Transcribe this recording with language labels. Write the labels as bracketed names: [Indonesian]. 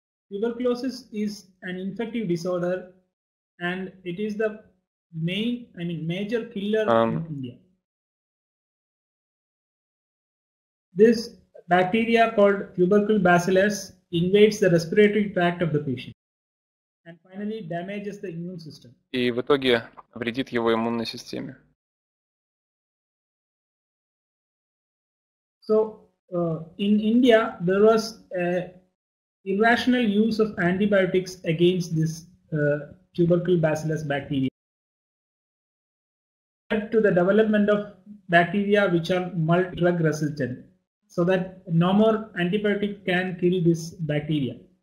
[English] Tuberculosis is an infective disorder, and it is the main, major killer in India. This bacteria called tubercle bacillus invades the respiratory tract of the patient and finally damages the immune system. [Russian] И в итоге вредит его иммунной системе. [English] So, in India, there was a irrational use of antibiotics against this tubercle bacillus bacteria. It led to the development of bacteria which are multi-drug resistant, so that no more antibiotic can kill this bacteria.